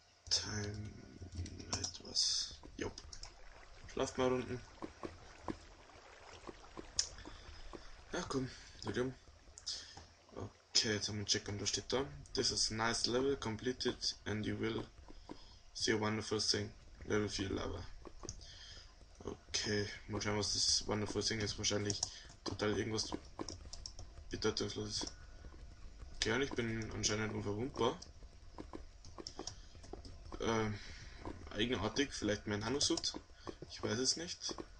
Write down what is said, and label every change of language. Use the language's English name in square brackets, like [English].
[German] Time etwas. Jupp. Schlaf mal unten. Ja, komm, William. Okay, jetzt haben wir einen Check und da steht da. [English] This is a nice level, completed and you will see a wonderful thing. [German] Level 4 Lava. Okay, mal schauen, was das [English] wonderful thing [German] ist. Wahrscheinlich total irgendwas Bedeutungsloses. Okay, und ich bin anscheinend unverwundbar. Eigenartig, vielleicht mein Hanusut. Ich weiß es nicht.